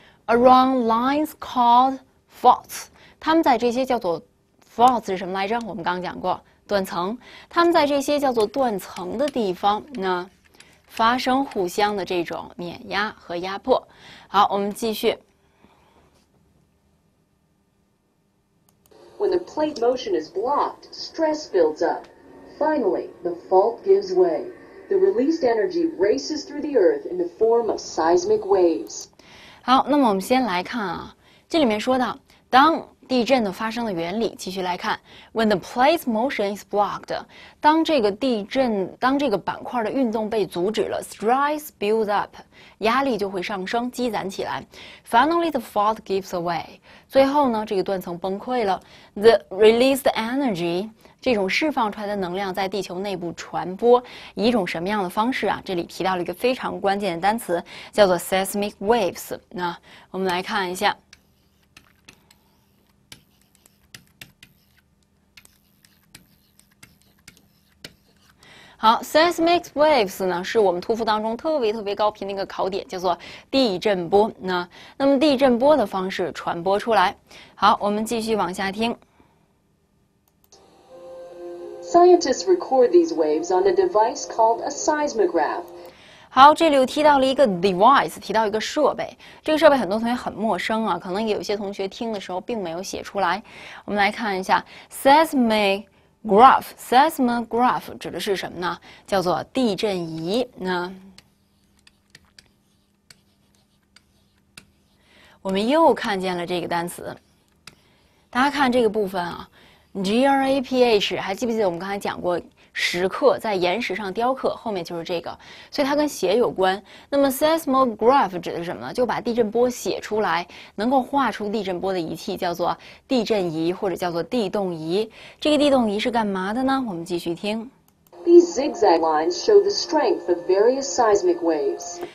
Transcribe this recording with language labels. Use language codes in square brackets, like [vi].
[en] Along lines called faults， [zh] 他们在这些叫做。Faults 是什么来着？我们刚刚讲过断层，他们在这些叫做断层的地方呢，发生互相的这种碾压和压迫。好，我们继续。 [en] When the plate motion is blocked, stress builds up. Finally, the fault gives way. The released energy races through the earth in the form of seismic waves. [zh] 好，那么我们先来看啊，这里面说到当。地震的发生的原理，继续来看。 [en] When the plate motion is blocked， [zh] 当这个地震，当这个板块的运动被阻止了 ， [en] stress builds up， [zh] 压力就会上升，积攒起来。 [en] Finally, the fault gives away。 [zh] 最后呢，这个断层崩溃了。 [en] The released energy， [zh] 这种释放出来的能量在地球内部传播，以一种什么样的方式啊？这里提到了一个非常关键的单词，叫做 seismic waves。那我们来看一下。好 ，seismic waves 呢，是我们托福当中特别特别高频的一个考点，叫做地震波。那么地震波的方式传播出来。好，我们继续往下听。 [en] Scientists record these waves on a device called a seismograph. [zh] 好，这里又提到了一个 device， 提到一个设备。这个设备很多同学很陌生啊，可能有些同学听的时候并没有写出来。我们来看一下 seismograph 指的是什么呢？叫做地震仪。那我们又看见了这个单词。大家看这个部分啊 ，GRAPH， 还记不记得我们刚才讲过石刻在岩石上雕刻，后面就是这个，所以它跟血有关。那么 seismograph 指的是什么呢？就把地震波写出来，能够画出地震波的仪器叫做地震仪或者叫做地动仪。这个地动仪是干嘛的呢？我们继续听。 [en] These zigzag lines show the strength of various seismic waves.